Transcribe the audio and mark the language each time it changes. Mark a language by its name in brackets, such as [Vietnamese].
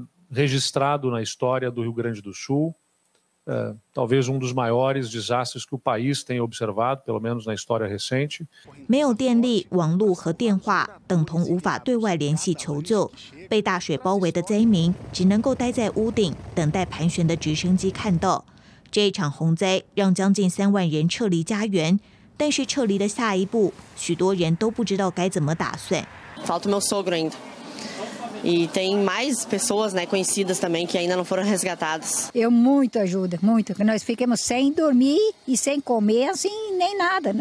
[Portuguese] registrado na história do Rio Grande do Sul, talvez dos maiores desastres que o país tem observado, pelo menos na história recente. [Chinese] 没有电力、网络和电话，等同无法对外联系求救。被大水包围的灾民只能够待在屋顶，等待盘旋的直升机看到。这一场洪灾让将近3万人撤离家园，但是撤离的下一步，许多人都不知道该怎么打算。 [Portuguese] Falta meu sogro ainda. E tem mais pessoas, né, conhecidas também que ainda não foram resgatadas. Eu muito ajuda, muito. Nós ficamos sem dormir e sem comer, assim, nem nada.